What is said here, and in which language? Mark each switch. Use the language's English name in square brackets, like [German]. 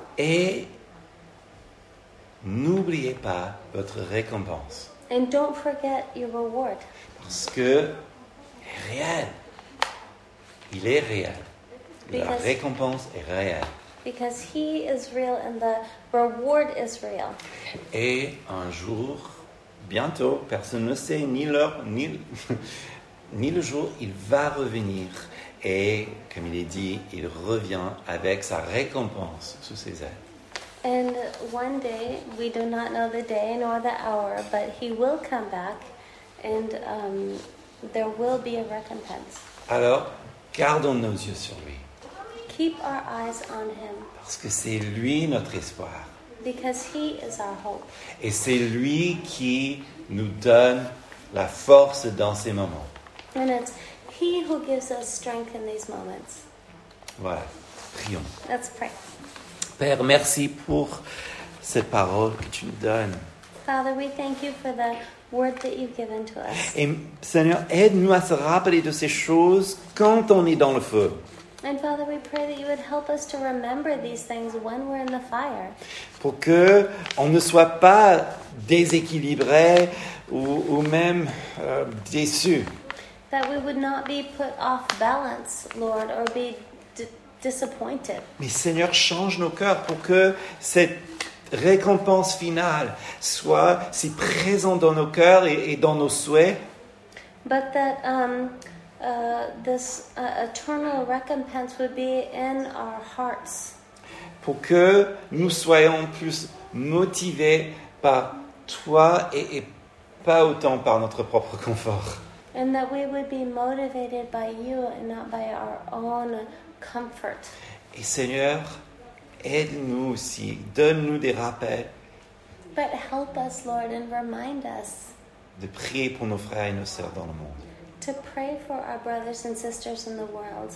[French] Et n'oubliez pas votre récompense. [English] And don't forget your reward. [French] Parce que réel. Il est réel. La récompense est réelle. [English] Because he is real and the reward is real. [French] Et un jour, bientôt, personne ne sait ni l'heure, ni ni le jour, il va revenir. Et comme il est dit, il revient avec sa récompense sous ses ailes. [English] And one day, we do not know the day nor the hour, but he will come back and there will be a recompense. [French] Alors, gardons nos yeux sur lui. [English] Keep our eyes on him. [French] Parce que c'est lui notre espoir. [English] Because he is our hope. [French] Et c'est lui qui nous donne la force dans ces moments. [English] And it's he who gives us strength in these moments. [French] Voilà, prions. [English] Let's pray. [French] Père, merci pour cette parole que tu nous donnes. [English] Father, we thank you for the word that you've given to us. [French] Et Seigneur, aide-nous à se rappeler de ces choses quand on est dans le feu. [English] And Father, we pray that you would help us to remember these things when we're in the fire. [French] Pour que on ne soit pas déséquilibré ou même déçu. [English] That we would not be put off balance, Lord, or be disappointed. [French] Mais Seigneur, change nos cœurs pour que cette récompense finale soit si présente dans nos cœurs et dans nos souhaits. [English] But that this eternal recompense would be in our hearts. [French] Pour que nous soyons plus motivés par toi et pas autant par notre propre confort. [English] And that we would be motivated by you and not by our own comfort. [French] Et Seigneur, aide-nous aussi. Donne-nous des rappels. [English] But help us, Lord, and remind us. [French] De prier pour nos frères et nos sœurs dans le monde. [English] To pray for our brothers and sisters in the world.